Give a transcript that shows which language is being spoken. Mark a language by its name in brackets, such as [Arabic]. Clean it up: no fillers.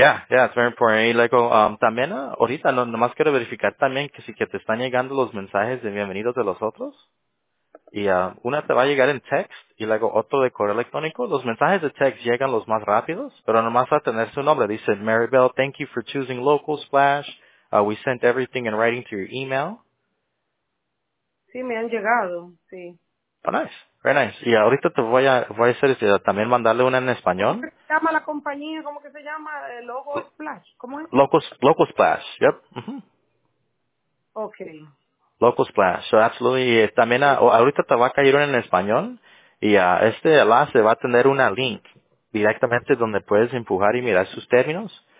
[English] it's very important. [Spanish] Y luego, también, ahorita, nomás quiero verificar también que sí que te están llegando los mensajes de bienvenidos de los otros. Y una te va a llegar en text y luego otro de correo electrónico. Los mensajes de text llegan los más rápidos, pero nomás va a tener su nombre. [English] Dice, Maribel, thank you for choosing Local Splash. We sent everything in writing to your email. [Spanish] Sí, me han llegado, sí. [English] Oh, nice. Very nice. [Spanish] Y ahorita te voy a hacer también mandarle una en español. ¿Cómo se llama la compañía? ¿Cómo que se llama? Local Splash. ¿Cómo es? [English] Local Splash, yep. Ok. [Spanish] Local Splash, [English] so absolutely, [Spanish] también ahorita te va a caer en español y este enlace va a tener una link directamente donde puedes empujar y mirar sus términos.